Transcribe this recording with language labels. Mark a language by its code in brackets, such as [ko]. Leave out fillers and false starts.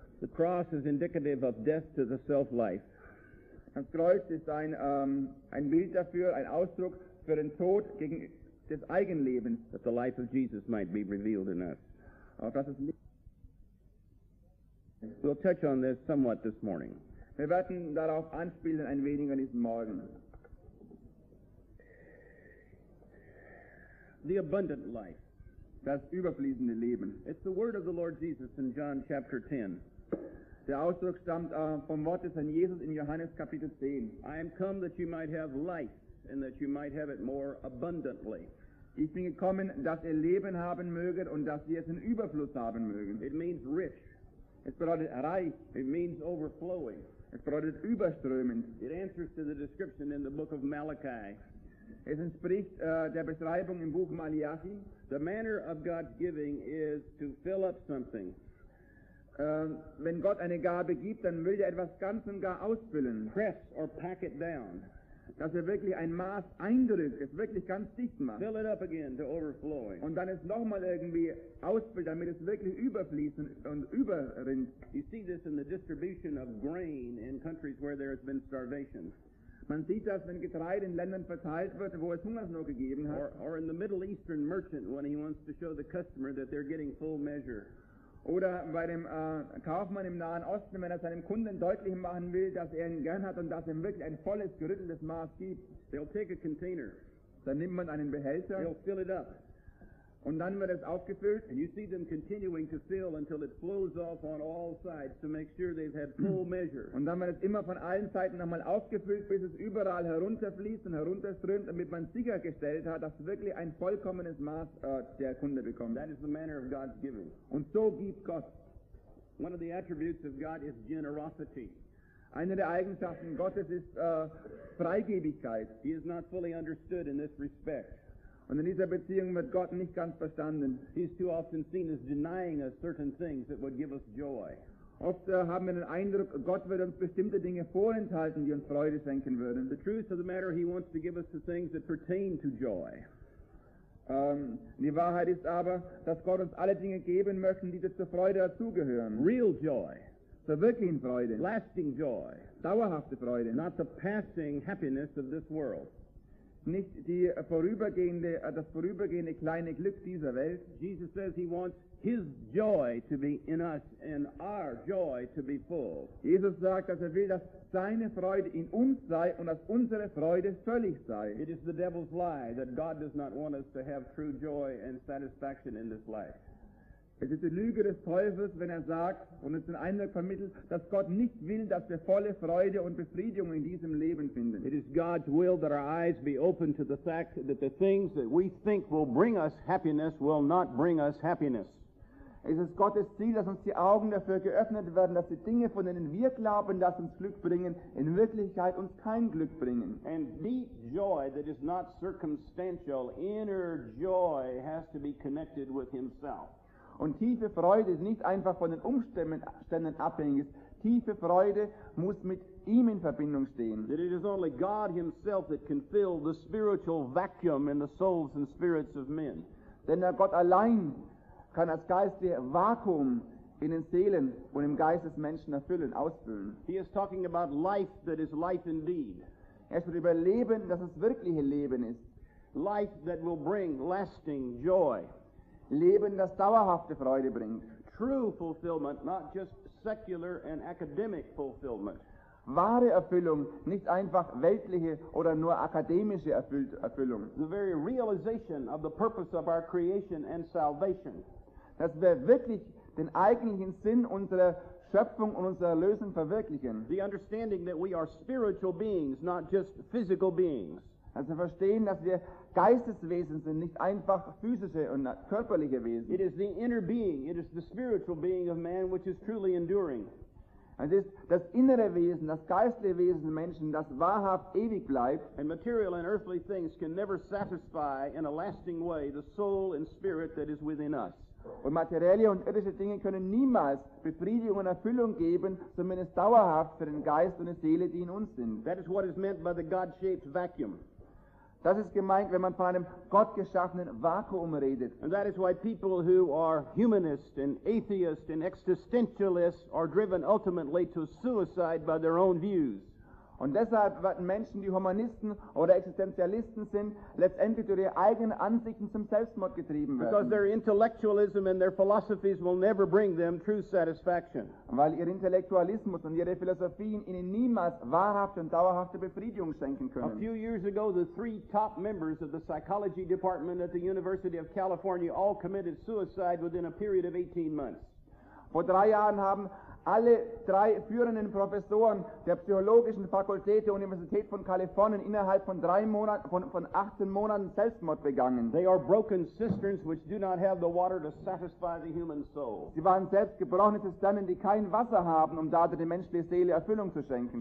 [en] The cross is indicative of death to the self-life. [de] Das Kreuz ist ein Bild dafür, ein Ausdruck für den Tod gegen des Eigenlebens. [en] That the life of Jesus might be revealed in us. We'll touch on this somewhat this morning. [de] Wir werden darauf anspielen ein wenig an diesem Morgen. [en] The abundant life. [de] Das überfließende Leben. [en] It's the word of the Lord Jesus in John chapter 10. [de] Der Ausdruck stammt vom Wort des Herrn Jesus in Johannes Kapitel 10. [en] I am come that you might have life and that you might have it more abundantly. [de] Ich bin gekommen, dass ihr Leben haben möget und dass ihr es in Überfluss haben mögen. [en] It means rich. [de] Es bedeutet reich. [en] It means overflowing. [de] Es bedeutet überströmend. [en] It answers to the description in the book of Malachi. [de] Es entspricht der Beschreibung im Buch Malachi. [en] The manner of God's giving is to fill up something. [de] Wenn Gott eine Gabe gibt, dann will er etwas ganz und gar ausfüllen. [en] Press or pack it down. [de] Dass er wirklich ein Maß eindrückt, es wirklich ganz dicht macht. [en] Fill it up again to overflowing. [de] Und dann es nochmal irgendwie ausfüllt, damit es wirklich überfließt und überrinnt. [en] You see this in the distribution of grain in countries where there has been starvation. [de] Man sieht das, wenn Getreide in Ländern verteilt wird, wo es Hungersnot gegeben hat. [en] Or in the Middle Eastern merchant when he wants to show the customer that they're getting full measure. [de] Oder bei dem Kaufmann im Nahen Osten, wenn er seinem Kunden deutlich machen will, dass er ihn gern hat und dass er ihm wirklich ein volles, gerütteltes Maß gibt. [en] They'll take a container. [de] Dann nimmt man einen Behälter. [en] They'll fill it up. [de] Und dann wird es aufgefüllt. [en] And you see them continuing to fill until it flows off on all sides to make sure they've had full measure. [de] Und dann wird es immer von allen Seiten nochmal aufgefüllt, bis es überall herunterfließt und herunterströmt, damit man sichergestellt hat, dass wirklich ein vollkommenes Maß der Kunde bekommt. [en] That is the manner of God's giving. [de] Und so gibt Gott. [en] One of the attributes of God is generosity. [de] Eine der Eigenschaften Gottes ist Freigebigkeit. [en] He is not fully understood in this respect. [de] Und in dieser Beziehung wird Gott nicht ganz verstanden. [en] He's too often seen as denying us certain things that would give us joy. [de] Oft haben wir den Eindruck, Gott wird uns bestimmte Dinge vorenthalten, die uns Freude schenken würden. [en] The truth of the matter, he wants to give us the things that pertain to joy. [de] Die Wahrheit ist aber, dass Gott uns alle Dinge geben möchte, die zur Freude dazugehören. [en] Real joy. [de] Zur wirklichen Freude. [en] Lasting joy. [de] Dauerhafte Freude. [en] Not the passing happiness of this world. [de] Nicht die vorübergehende, das vorübergehende kleine Glück dieser Welt. [en] Jesus says he wants his joy to be in us and our joy to be full. [de] Jesus sagt, dass er will, dass seine Freude in uns sei und dass unsere Freude völlig sei. [en] It is the devil's lie that God does not want us to have true joy and satisfaction in this life. [de] Es ist die Lüge des Teufels, wenn er sagt und uns den Eindruck vermittelt, dass Gott nicht will, dass wir volle Freude und Befriedigung in diesem Leben finden. [en] It is God's will that our eyes be open to the fact that the things that we think will bring us happiness will not bring us happiness. [de] Es ist Gottes Ziel, dass uns die Augen dafür geöffnet werden, dass die Dinge, von denen wir glauben, dass uns Glück bringen, in Wirklichkeit uns kein Glück bringen. [en] And deep joy that is not circumstantial, inner joy has to be connected with himself. [de] Und tiefe Freude ist nicht einfach von den Umständen abhängig. Tiefe Freude muss mit ihm in Verbindung stehen. [en] That it is only God himself that can fill the spiritual vacuum in the souls and spirits of men. [de] Denn der Gott allein kann das geistige Vakuum in den Seelen und im Geist des Menschen erfüllen, ausfüllen. [en] He is talking about life that is life indeed. [de] Er spricht über Leben, das das wirkliche Leben ist. [en] Life that will bring lasting joy. [de] Leben, das dauerhafte Freude bringt. [en] True fulfillment, not just secular and academic fulfillment. [de] Wahre Erfüllung, nicht einfach weltliche oder nur akademische Erfüllung. [en] The very realization of the purpose of our creation and salvation. [de] Dass wir wirklich den eigentlichen Sinn unserer Schöpfung und unserer Erlösung verwirklichen. [en] The understanding that we are spiritual beings, not just physical beings. [de] Dass wir verstehen, dass wir Geisteswesen sind, nicht einfach physische und körperliche Wesen. [en] It is the inner being, it is the spiritual being of man which is truly enduring. [de] Es ist das innere Wesen, das geistliche Wesen des Menschen, das wahrhaft ewig bleibt. [en] And material and earthly things can never satisfy in a lasting way the soul and spirit that is within us. [de] Und materielle und irdische Dinge können niemals Befriedigung und Erfüllung geben, zumindest dauerhaft für den Geist und die Seele, die in uns sind. [en] That is what is meant by the God-shaped vacuum. [de] Das ist gemeint, wenn man von einem gottgeschaffenen Vakuum redet. [en] And that is why people who are humanist and atheist and existentialist are driven ultimately to suicide by their own views. [de] Und deshalb werden Menschen, die Humanisten oder Existenzialisten sind, letztendlich durch ihre eigenen Ansichten zum Selbstmord getrieben werden. [en] Because their intellectualism and their philosophies will never bring them true satisfaction. [de] Weil ihr Intellektualismus und ihre Philosophien ihnen niemals wahrhafte und dauerhafte Befriedigung schenken können. [en] A few years ago, the three top members of the psychology department at the University of California all committed suicide within a period of 18 months. [de] Vor drei Jahren haben alle drei führenden Professoren der psychologischen Fakultät der Universität von Kalifornien innerhalb von 18 Monaten Selbstmord begangen. [en] They are broken cisterns which do not have the water to satisfy the human soul. [de] Sie waren selbst gebrochene Zisternen, die kein Wasser haben, um dadurch der menschlichen Seele Erfüllung zu schenken.